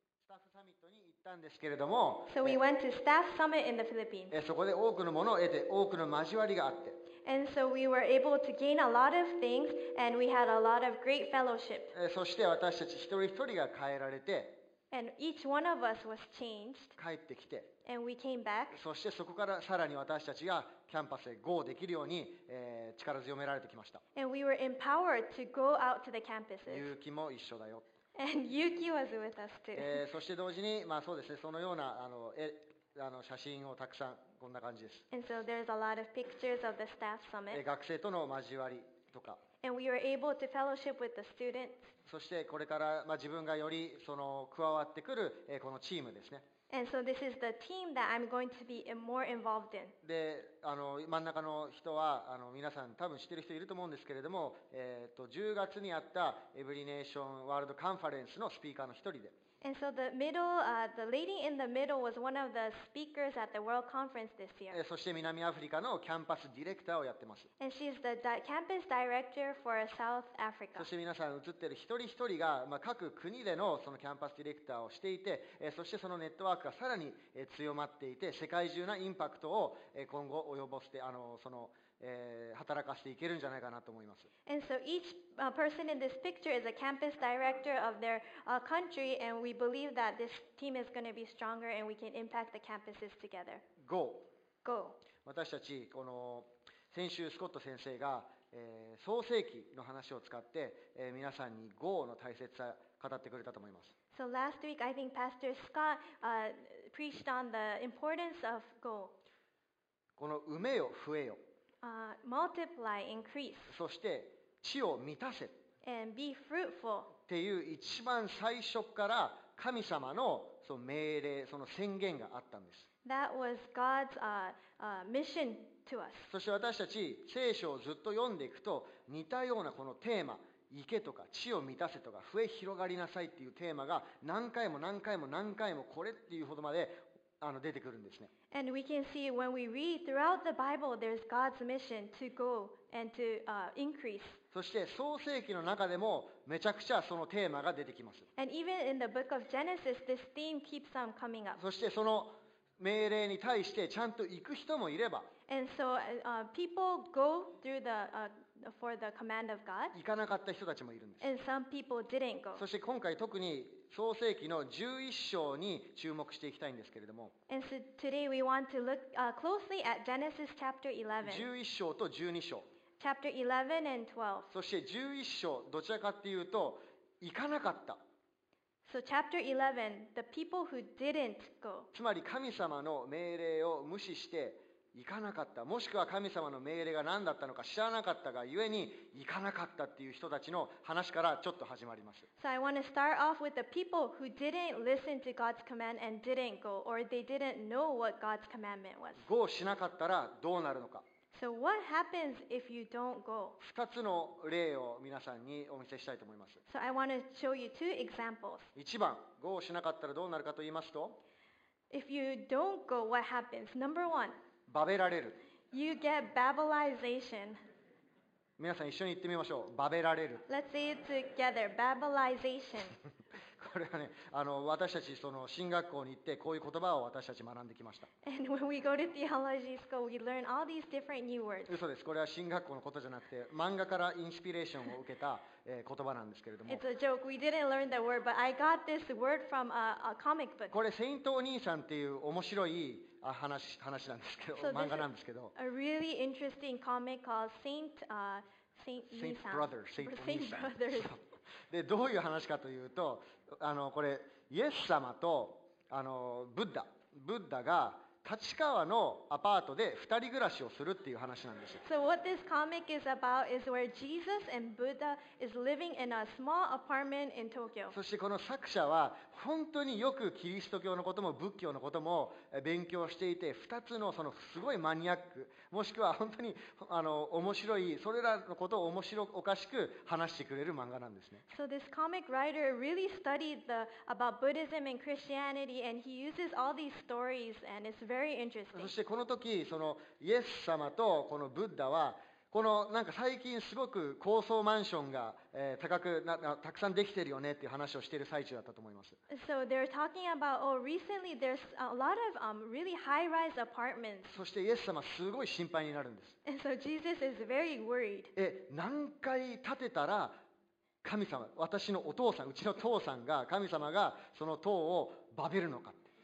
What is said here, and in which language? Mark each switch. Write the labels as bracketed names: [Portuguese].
[Japanese] スタッフサミットに行ったんですけれども、 [English] So we went to staff summit in the Philippines. [Japanese] そこで多くのものを得て、多くの交わりがあって。 [English] And so we were able to gain a lot of things, and we had a lot of great fellowship. [Japanese] そして私たち一人一人が変えられて、 [English] And each one of us was changed. [Japanese] 帰ってきて、 [English] And we came back. [Japanese] そしてそこからさらに私たちがキャンパスへゴーできるように、力強められてきました。 [English] And we were empowered to go out to the campuses. [Japanese] 勇気も一緒だよ。 [English] And Yuki was with us too. [Japanese] そして同時に、まあそうですね、そのようなあの写真をたくさん、こんな感じです。 [English] And so there's a lot of pictures of the staff summit. [Japanese] 学生との交わりとか。 [English] And we were able to fellowship with the students. [Japanese] そしてこれから、まあ、自分がよりその加わってくる、このチームですね。 [English] And so this is the team that I'm going to be more involved in. [Japanese] で、あの真ん中の人は、あの皆さん多分知ってる人いると思うんですけれども、10月にあったエブリネーションワールドカンファレンスのスピーカーの一人で。 [English] And so the middle, the lady in the middle was one of the speakers at the World Conference this year. [Japanese] そして南アフリカのキャンパスディレクターをやってます。 [English] And she's the campus director for South Africa. [Japanese] そして皆さん映ってる一人一人が、まあ、各国でのそのキャンパスディレクターをしていて、そしてそのネットワークがさらに強まっていて、世界中のインパクトを今後及ぼして、あのその働かせていけるんじゃないかなと思います。 [English] And so each person in this picture is a campus director of their country, and we believe that this team is going to be stronger, and we can impact the campuses together. Go. Go. [Japanese] 私たちこの先週スコット先生が、創世記の話を使って、皆さんに Go の大切さ語ってくれたと思います。 [English] So last week I think Pastor Scott preached on the importance of Go. [Japanese] この埋めよ増えよ。 [English] Multiply, increase. [Japanese] そして地を満たせ。 [English] And be fruitful. [Japanese] っていう一番最初から神様のその命令、その宣言があったんです。 [English] That was God's mission to us. [Japanese] そして私たち聖書をずっと読んでいくと似たようなこのテーマ、池とか地を満たせとか増え広がりなさいっていうテーマが何回も何回も何回もこれっていうほどまで出てくるんですね。 [English] And we can see when we read throughout the Bible, there's God's mission to go and to increase. [Japanese] そして創世記の中でもめちゃくちゃそのテーマが出てきます。 [English] And even in the book of Genesis, this theme keeps on coming up. [Japanese] そしてその命令に対してちゃんと行く人もいれば、 [English] And so people go through the for the command of God. [Japanese] 行かなかった人たちもいるんです。 [English] And some people didn't go. [Japanese] そして今回特に創世記の11章に注目していきたいんですけれども、 [English] And so today we want to look closely at Genesis chapter 11. [Japanese] 11章と12章。 [English] Chapter 11 and 12. [Japanese] そして11章どちらかっていうと行かなかった。 [English] So chapter 11, the people who didn't go. [Japanese] つまり神様の命令を無視して行かなかった。もしくは神様の命令が何だったのか知らなかったが、故に行かなかったっていう人たちの話からちょっと始まります。 [English] So I want to start off with the people who didn't listen to God's command and didn't go, or they didn't know what God's commandment was. [Japanese] Go しなかったらどうなるのか。 [English] So what happens if you don't go? [Japanese] 2つの例を皆さんにお見せしたいと思います。 [English] So I want to show you two examples. [Japanese] 1番、Go しなかったらどうなるかと言いますと、 [English] If you don't go, what happens? Number one. [Japanese] バベられる。 [English] You get Babylonization. [Japanese] 皆さん一緒に言ってみましょう。バベられる。 [English] Let's say it together. Babylonization. [Japanese] これはね、私たちその進学校に行ってこういう言葉を私たち学んできました。 [English] And when we go to theology school, we learn all these different new words. [Japanese] 嘘です。これは進学校のことじゃなくて、漫画からインスピレーションを受けた言葉なんですけれども。 [English] It's a joke. We didn't learn that word, but I got this word from a comic book. [Japanese] これセイントお兄さんっていう面白い話なんですけど、漫画なんですけど。 [English] A really interesting comic called Saint Saint Brother. Saint Brother. [Japanese] でどういう話かというと、これイエス様とブッダが立川のアパートで二人暮らしをするっていう話なんです。 [English] So what this comic is about is where Jesus and Buddha is living in a small apartment in Tokyo. [Japanese] そしてこの作者は本当によくキリスト教のことも仏教のことも勉強していて、二つのそのすごいマニアックもしくは本当にあの面白いそれらのことを面白おかしく話してくれる漫画なんですね。 [English] So this comic writer really studied the about Buddhism and Christianity, and he uses all these stories and it's very interesting. [Japanese] そしてこの時そのイエス様とこのブッダはこのなんか最近すごく高層マンションが高くなたくさんできてるよねっていう話をしている最中だったと思います。 [English] So they're talking about, oh, recently there's a lot of really high-rise apartments. [Japanese] そしてイエス様すごい心配になるんです。 [English] And so Jesus is very worried. [Japanese] 何階建てたら神様、私のお父さん、うちの父さんが神様がその塔をバベルのか。